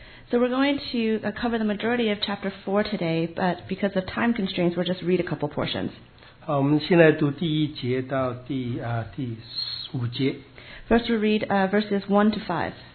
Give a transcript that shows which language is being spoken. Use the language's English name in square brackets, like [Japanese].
[English] So we're going to cover the majority of chapter 4 today, but because of time constraints, we'll just read a couple portions. [Chinese] 好, 我们先来读第一节到第五节。 [English] First we'll read verses 1 to 5.